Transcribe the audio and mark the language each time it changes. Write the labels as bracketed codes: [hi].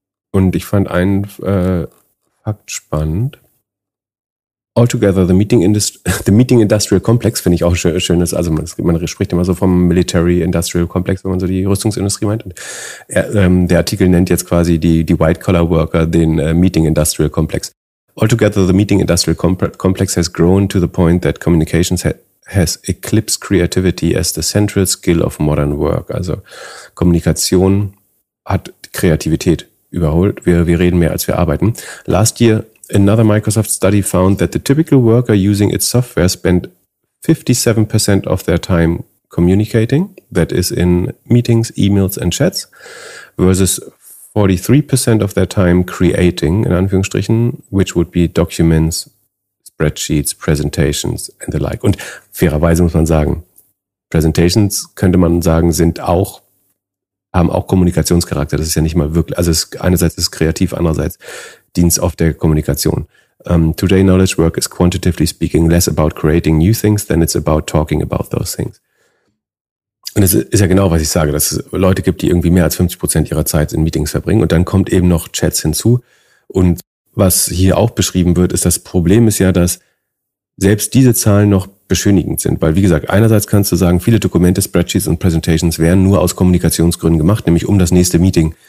[de] Und ich fand einen Fakt spannend. [en] Altogether, the Meeting Industrial Complex, [de] finde ich auch schön. Also man spricht immer so vom Military Industrial Complex, wenn man so die Rüstungsindustrie meint. Und der Artikel nennt jetzt quasi die White Collar Worker den Meeting Industrial Complex. [en] Altogether, the meeting industrial complex has grown to the point that communications has eclipsed creativity as the central skill of modern work. [de] Also Kommunikation hat Kreativität überholt. Wir reden mehr, als wir arbeiten. [en] Last year, another Microsoft study found that the typical worker using its software spent 57% of their time communicating, that is in meetings, emails and chats, versus 43% of their time creating, [de] in Anführungsstrichen, [en] which would be documents, spreadsheets, presentations and the like. [de] Und fairerweise muss man sagen, Presentations, könnte man sagen, haben auch Kommunikationscharakter. Das ist ja nicht mal wirklich, also einerseits ist es kreativ, andererseits dient es oft der Kommunikation. [en] Today knowledge work is quantitatively speaking less about creating new things than it's about talking about those things. [de] Und es ist ja genau, was ich sage, dass es Leute gibt, die irgendwie mehr als 50% ihrer Zeit in Meetings verbringen und dann kommt eben noch Chats hinzu. Und was hier auch beschrieben wird, ist, das Problem ist ja, dass selbst diese Zahlen noch beschönigend sind. Weil wie gesagt, einerseits kannst du sagen, viele Dokumente, Spreadsheets und Presentations werden nur aus Kommunikationsgründen gemacht, nämlich um das nächste Meeting.